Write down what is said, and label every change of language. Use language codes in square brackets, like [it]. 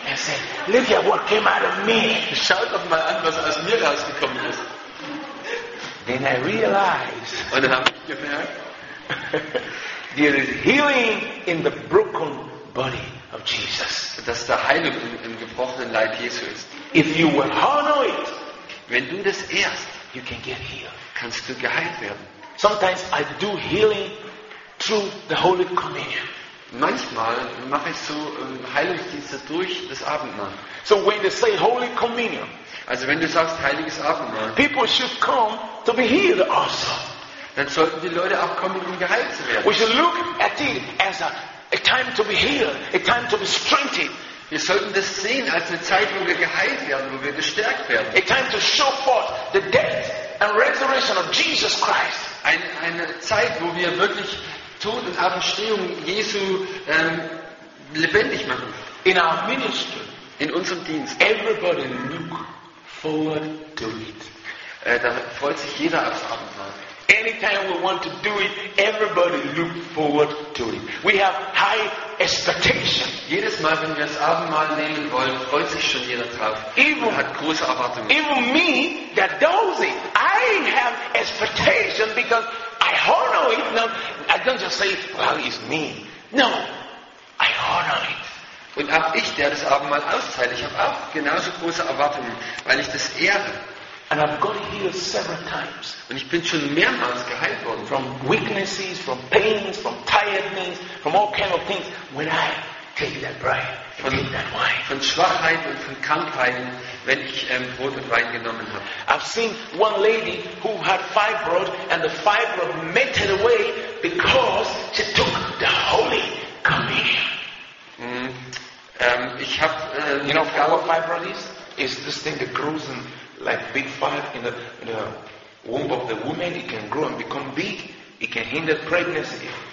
[en] And said, look at what came out of me. [de] Schaut doch mal an, was aus mir rausgekommen ist. [en] Then I realized. [de] Und dann habe ich gemerkt, [en] there is healing in the broken body of Jesus. [de] Dass da Heilung im gebrochenen Leib Jesu ist. [en] If you will honor it, [de] wenn du das ehrst, [en] you can get healed. [de] Kannst du geheilt werden. [en] Sometimes I do healing through the Holy Communion. [de] Manchmal mache ich so Heilungsdienste durch das Abendmahl. [en] So when they say Holy Communion, [de] also wenn du sagst Heiliges Abendmahl, [en] people should come to be healed also. [de] Dann sollten die Leute auch kommen, um geheilt zu werden. [en] We should look at it as a time to be healed, a time to be strengthened. [de] Wir sollten das sehen als eine Zeit, wo wir geheilt werden, wo wir gestärkt werden. [en] A time to show forth the death and resurrection of Jesus Christ. [de] Eine Zeit, wo wir wirklich Tod und Auferstehung Jesu lebendig machen. [en] In our ministry, [de] in unserem Dienst. [en] Everybody look forward to it. [de] Da freut sich jeder aufs Abendmahl. [en] Anytime we want to do it, everybody look forward to it. We have high expectation. [de] Jedes Mal, wenn wir das Abendmahl nehmen wollen, freut sich schon jeder drauf. [en] Even, [de] hat große Erwartungen. [en] Even me, that does it. I have expectation because I honor it. No, I don't just say, well, it's me. No, I honor it. [de] Und auch ich, der das Abendmahl austeilt, ich habe auch genauso große Erwartungen, weil ich das ehre. [en] And I've got healed several times. [de] Und ich bin schon mehrmals geheilt worden. [en] From weaknesses, from pains, from tiredness, from all kinds of things. When I take that bread, [de] von, [en] take that wine. [de] Von Schwachheit und von Krankheiten, wenn ich Brot und Wein genommen habe. [en] I've seen one lady who had fibroid and the fibroid melted away because she took the Holy Communion. [de] Ich habe [en] you know what our fibroid is? Is this thing that grows in like big fat in the womb of the woman, it can grow and become big, it can hinder pregnancy.